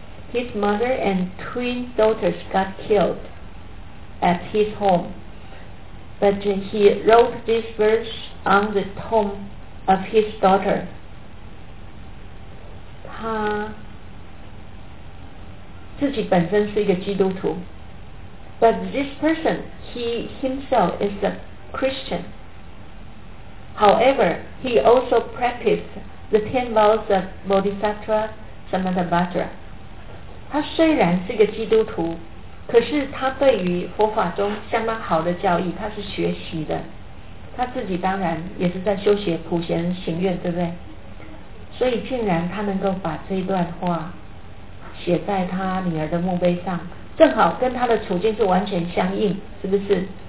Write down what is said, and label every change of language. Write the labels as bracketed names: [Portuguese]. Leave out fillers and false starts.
[English] His mother and twin daughters got killed at his home. But he wrote this verse on the tomb of his daughter. [Chinese] 他自己本身是一个基督徒。 [English] But this person, he himself is a Christian. However, he also practiced The Ten Vows of Bodhisattva Samantabhadra. [Chinese] 他虽然是个基督徒，可是他对于佛法中相当好的教义他是学习的，他自己当然也是在修学普贤行愿，对不对？所以竟然他能够把这段话写在他女儿的墓碑上，正好跟他的处境是完全相应，是不是？